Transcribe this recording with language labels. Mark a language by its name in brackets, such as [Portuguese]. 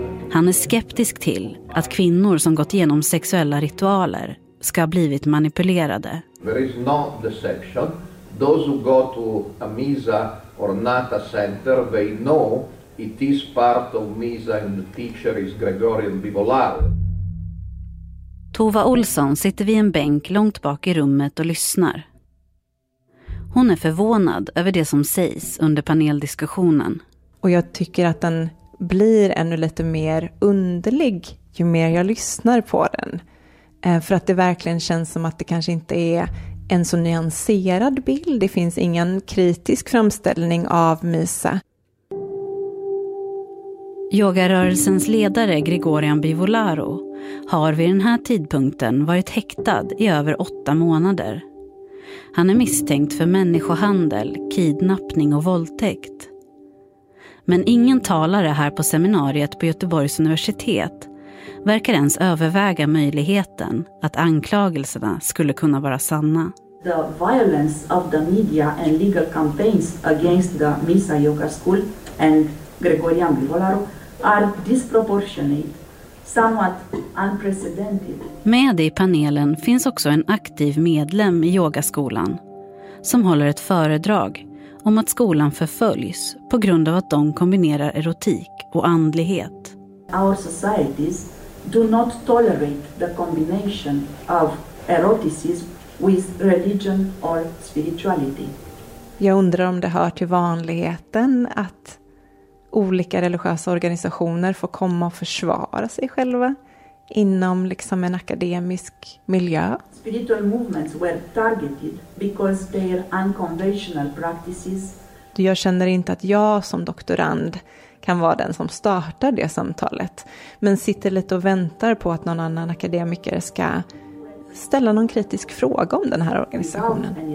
[Swedish] Han är skeptisk till att kvinnor som gått igenom sexuella ritualer ska ha blivit manipulerade. [English] There is no deception. Those who go to a Misa or Nata center, they know it is part of Misa and the teacher is Gregorian Bibolaro. [Swedish] Tova Olsson sitter vid en bänk långt bak i rummet och lyssnar. Hon är förvånad över det som sägs under paneldiskussionen. Och jag tycker att den blir ännu lite mer underlig ju mer jag lyssnar på den. För att det verkligen känns som att det kanske inte är en så nyanserad bild. Det finns ingen kritisk framställning av Misa. Yogarörelsens ledare Gregorian Bivolaro har vid den här tidpunkten varit häktad i över 8 månader. Han är misstänkt för människohandel, kidnappning och våldtäkt. Men ingen talare här på seminariet på Göteborgs universitet verkar ens överväga möjligheten att anklagelserna skulle kunna vara sanna. [English] The violence of the media and legal campaigns against the Misa Yoga School and Gregorian Bivolaro are disproportionate, somewhat unprecedented. [Swedish] Med i panelen finns också en aktiv medlem i yogaskolan som håller ett föredrag om att skolan förföljs på grund av att de kombinerar erotik och andlighet. [English] Our societies do not tolerate the combination of eroticism with religion or spirituality. [Swedish] Jag undrar om det hör till vanligheten att olika religiösa organisationer får komma och försvara sig själva inom liksom en akademisk miljö. [English] Spiritual movements were targeted because their unconventional practices. [Swedish] Jag känner inte att jag som doktorand kan vara den som startar det samtalet, men sitter lite och väntar på att någon annan akademiker ska ställa någon kritisk fråga om den här organisationen.